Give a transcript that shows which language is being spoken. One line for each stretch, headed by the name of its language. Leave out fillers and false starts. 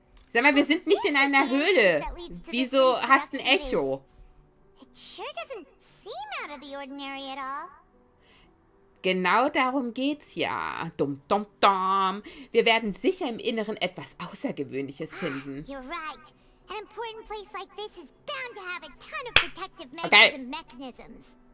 German: Sag mal, wir sind nicht in einer Höhle. Wieso hast du ein Echo?
English: It sure doesn't seem out of the ordinary at all.
German: Genau darum geht's ja. Dum, dum, dum. Wir werden sicher im Inneren etwas Außergewöhnliches finden.
English: You're right. An important place like this is bound to have a ton of protective measures and mechanisms.